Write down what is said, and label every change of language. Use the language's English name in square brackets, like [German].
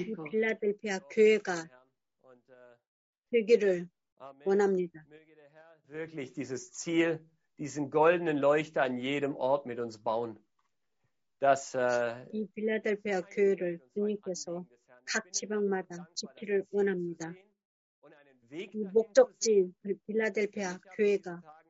[Korean] 필라델피아 교회가 되기를 원합니다. [German] Möge der Herr wirklich dieses Ziel, diesen goldenen Leuchter an jedem Ort mit uns bauen. Dass [Korean] 이 필라델피아 교회를 주님께서 각 지방마다 지키를 원합니다. 이 목적지 필라델피아 교회가